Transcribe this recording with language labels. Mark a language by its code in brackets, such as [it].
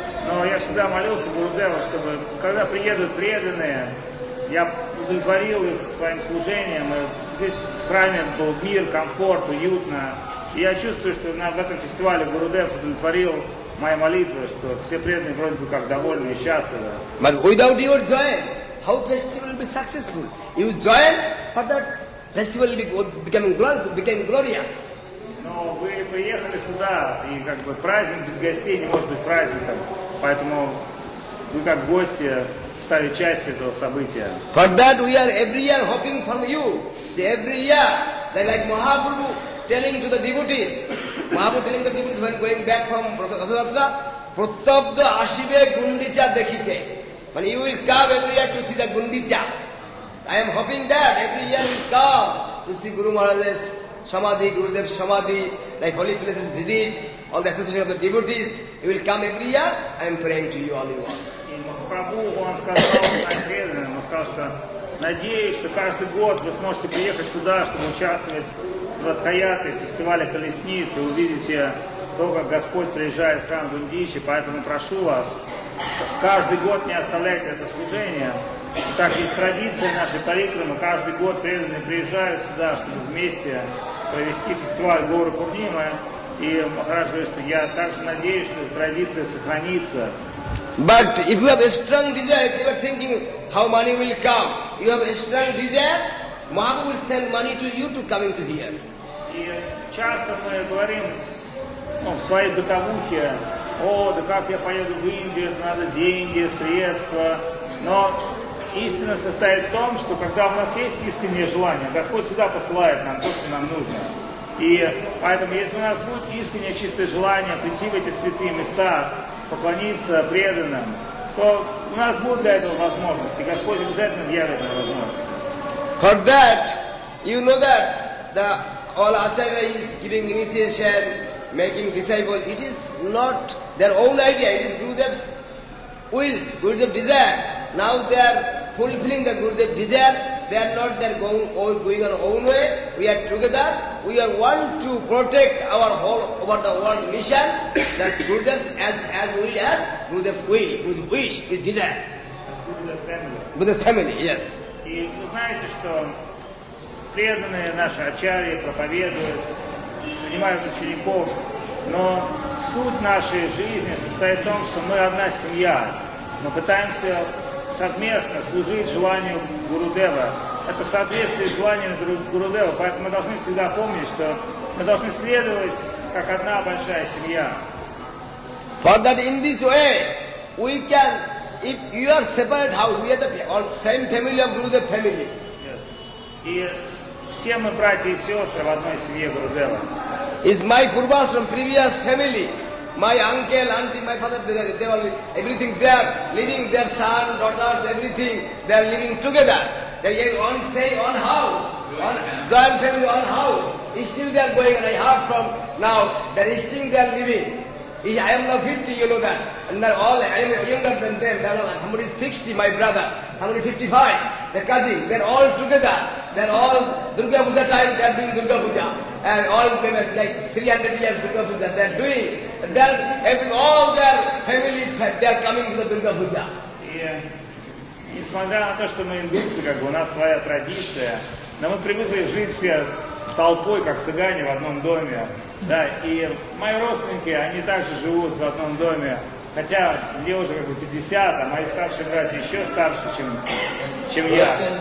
[ru] Но я всегда молился Гурудеву, чтобы, когда приедут преданные, я удовлетворил их своим служением. И здесь в храме был мир, комфорт, уютно. И я чувствую, что в этом фестивале Гурудев удовлетворил мои молитвы, что все преданные вроде бы как довольны и счастливы. [en] But without your joy, how festival will be successful? You joy for that? Festival became glorious. [ru] Но вы приехали сюда, и как бы праздник без гостей не может быть праздником. Поэтому вы как гости стали частью этого события. [en] For that we are every year hoping from you. Every year, they like Mahaprabhu telling to the devotees. Mahaprabhu telling the devotees when going back from Rathayatra, [bn] Pratyabdha Ashibe Gundicha Dekhite. [en] But you will come every year to see the Gundicha. I am hoping that every year you come to see Guru Maharaj's Samadhi, Gurudev's Samadhi, like holy places visit, all the association of the devotees, you will come every year, I am praying to you all you want. [ru] Mahaprabhu, он сказал своим преданным, он сказал, что надеюсь, что каждый год вы сможете приехать сюда, чтобы участвовать в Радхаяте, в фестивале колесниц, и увидите то, как Господь приезжает в храм Гундичи, поэтому прошу вас, каждый год не оставляйте это служение. Так и традиция нашей парикрамы, каждый год преданные приезжают сюда, чтобы вместе провести фестиваль Гуру Пурнимы. И Махарадж говорит, что я также надеюсь, что традиция сохранится. [en] But if you have a strong desire, if you are thinking how money will come, you have a strong desire, Mahaprabhu will send money to you to come into here. [ru] И часто мы говорим, в своей бытовухе, о, да как я поеду в Индию, надо деньги, средства. Но истина состоит в том, что когда у нас есть искреннее желание, Господь всегда посылает нам то, что нам нужно. И поэтому, если у нас будет искреннее чистое желание прийти в эти святые места, поклониться преданным, то у нас будет для этого возможность, и Господь обязательно явит нам возможность. [en] For that, you know that the all acharya is giving initiation, making disciples, it is not their own idea, it is Gurudev's wills, Gurudev's desire. Now they are fulfilling the Gurudev's desire, they are not there going our own way, we are together, we are one to protect our whole over the world mission, that's Gurudev's as will as Gurudev's will, whose wish is desire. That's Gurudev's family. Buddha's family, yes. You know that our acharya, preachers, [ru] принимают учеников, но суть нашей жизни состоит в том, что мы одна семья, мы пытаемся совместно служить желанию Гурудева. Это соответствие желанию Гурудева, поэтому мы должны всегда помнить, что мы должны следовать как одна большая семья. [en] For that in this way we can, if you are separate, how we are the same family of Gurudev family. Yes. [ru] И все мы братья и сестры в одной семье Гурудева. [en] Is my Purvashram previous family. My uncle, auntie, my father, they were everything there, living their son, daughters, everything, they are living together. They are on say on house. On Zion family on house. Still they are going, and I heard from now that still they are living. I am now 50, you know that. And now all I am younger than them. They are, somebody is 60, my brother. Somebody 55, the cousin. They are all together. They are all Durga Puja time, they are doing Durga Puja. And all of them are like 300 years Durga Puja. They are doing. They are having all their family, they are coming to the Durga Puja. Yeah. [ru] Несмотря на то, что мы индусы, как бы у нас своя традиция, но мы привыкли жить все толпой, как цыгане в одном доме. Да, и мои родственники, они также живут в одном доме. Хотя мне уже как бы 50, а мои старшие братья еще старше, чем я.